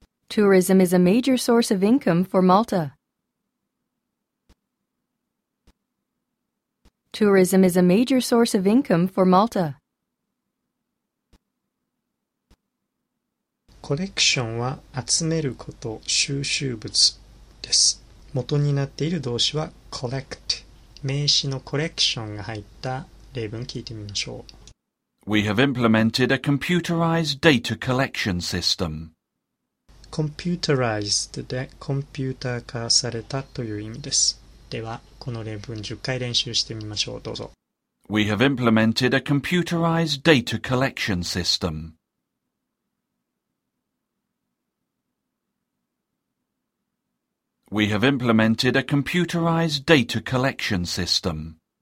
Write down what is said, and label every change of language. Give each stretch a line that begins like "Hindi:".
English: Tourism is a major source of income for Malta. Tourism is a major source of income for Malta.
Japanese: コレクションは集めること、収集物です。元になっている動詞は collect。名詞のコレクションが入った例文聞いてみましょう。
English: We have implemented a computerized data collection system.
Japanese: Computerized でコンピューター化されたという意味です。では、この例文10回練習してみましょう。どうぞ。
English: We have implemented a computerized data collection system. We have implemented a computerized data collection system.